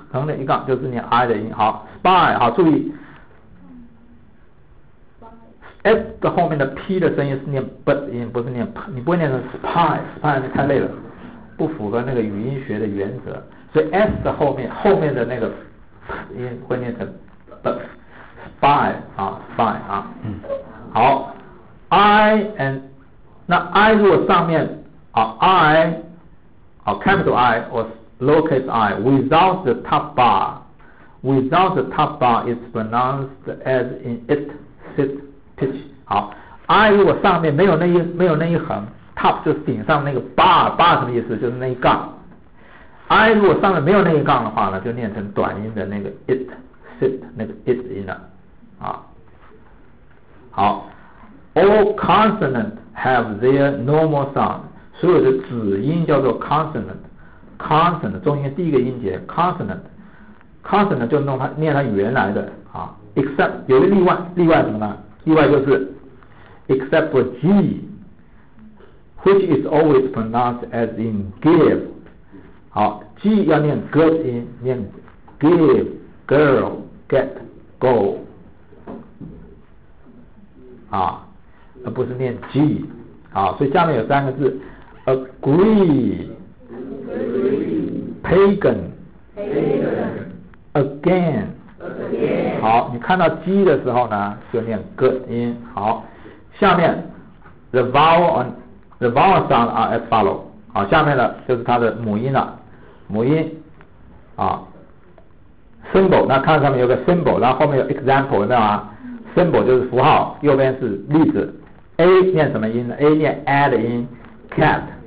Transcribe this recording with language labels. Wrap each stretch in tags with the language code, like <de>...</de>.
<zh>横的一杠就是念 I 的音。好 by 好，注意 S 的后面的 P 的声音是念 but 音，不是念 p， 你不会念成 spy， spy 太累了，不符合那个语音学的原则，所以 S 的后面的那个 p 音会念成 but spy 啊 spy 啊。</zh> <en>好 I and 那 I 如果上面啊 I 啊 capital I or lowercase I without the top bar， without the top bar is pronounced as in it sit pitch。</en> <zh>好 I 如果上面没有那一横， top 就是顶上那个 bar， bar 什么意思，就是那一杠。 I 如果上面没有那一杠的话呢，就念成短音的那个 it sit 那个 it 音了啊。好，</zh> <en>All consonants have their normal sound，</en> <zh>所有的子音叫做 consonant， consonant 中音第一个音节 consonant， consonant 就弄它念它原来的啊。 except 有个例外，例外什么呢？例外就是</zh> <en>except for G which is always pronounced as in give。</en> <zh>好， G 要念 g 音，念 give girl get go 啊，而不是念 G。好，所以下面有三个字 agree pagan again。好，你看到 G 的时候呢就念 G 音。</zh> <en>好，下面 the vowel sound are as follow。</en> <zh>好，下面呢就是它的母音了，母音啊 symbol， 那看上面有个 symbol， 然后后面有 example， 知道吗？ symbol 就是符号，右边是例子。A 念什么音呢？ A 念 A 的音 cat。</zh>